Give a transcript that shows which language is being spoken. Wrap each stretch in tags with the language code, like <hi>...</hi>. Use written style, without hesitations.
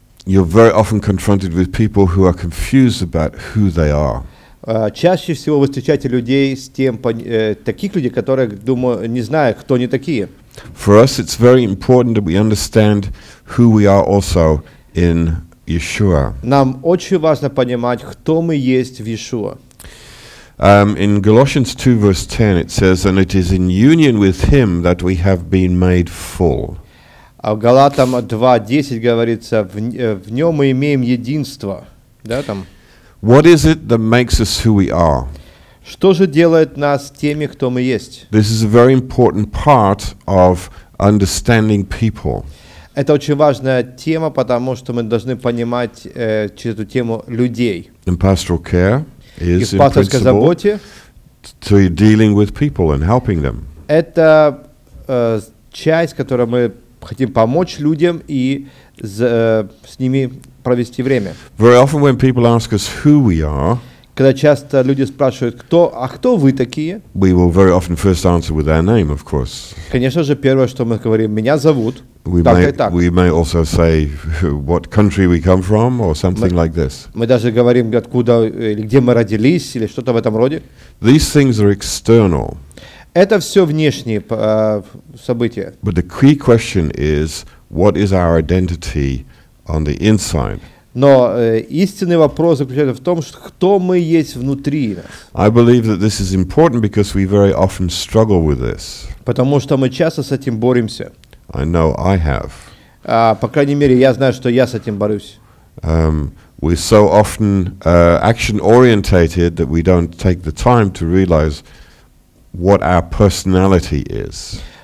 <en>You're very often confronted with people who are confused about who they are.</en> <ru>Чаще всего вы встречаете людей с тем, таких людей, которые, думаю, не знают, кто они такие.</ru> <en>For us, it's very important that we understand who we are also in Yeshua.</en> <ru>Нам очень важно понимать, кто мы есть в Yeshua.</ru> <en>In Galatians 2, verse 10, it says, "And it is in union with Him that we have been made full."</en> <ru>А в Галатам 2:10 говорится, в нем мы имеем единство, да там.</ru> <en>What is it that makes us who we are?</en> <ru>Что же делает нас теми, кто мы есть?</ru> <en>This is a very important part of understanding people.</en> <ru>Это очень важная тема, потому что мы должны понимать через эту тему людей.</ru> <en>In pastoral care is in pastoral</en> <ru>заботе.</ru> <en>To dealing with people and helping them.</en> <ru>Это часть, которой мы хотим помочь людям и с ними провести время.</ru> <en>Very often when people ask us who we are,</en> <ru>когда часто люди спрашивают, кто вы такие?</ru> <en>We will very often first answer with our name, of course.</en> <ru>Конечно же, первое, что мы говорим, меня зовут.</ru> <en>We may also say what country we come from or something like this.</en> <ru>Мы даже говорим, откуда или где мы родились или что-то в этом роде.</ru> <en>These things are external.</en> <ru>Это все внешние события.</ru> <en>But the key question is, what is our identity on the inside?</en> <ru>Но истинный вопрос заключается в том, что кто мы есть внутри.</ru> <en>I believe that this is important because we very often struggle with this.</en> <ru>Потому что мы часто с этим боремся.</ru> <en>I know I have.</en> <ru>По крайней мере, я знаю, что я с этим борюсь.</ru> <en>We're so often action-orientated that we don't take the time to realize what our personality is.</en>